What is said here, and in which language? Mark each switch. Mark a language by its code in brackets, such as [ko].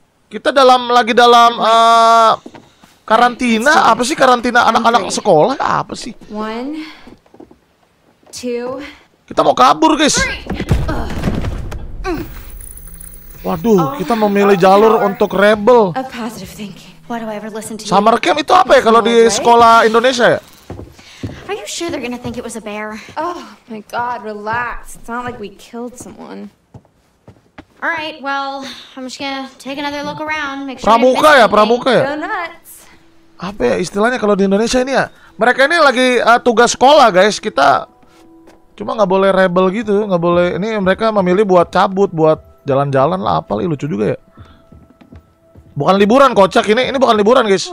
[id] Kita lagi dalam karantina. Apa sih karantina anak-anak sekolah? Apa sih? [en] One, two. [id] Kita mau kabur guys. Waduh, kita memilih jalur untuk rebel. [en] Why do I ever listen to you? [id] Summer camp itu apa ya kalau di sekolah Indonesia ya? [en] Are you sure they're gonna think it was a bear? Oh my god, relax. It's not like we killed someone. All right, well, I'm just gonna take another look around. Make sure [id] pramuka ya, pramuka ya. [en] Go nuts. [id] Apa ya istilahnya kalau di Indonesia ini ya? Mereka ini lagi tugas sekolah, guys. Kita cuma nggak boleh rebel gitu, nggak boleh. Ini mereka memilih buat cabut, buat jalan-jalan lah. Apalih lucu juga ya. Bukan liburan kocak ini bukan liburan guys.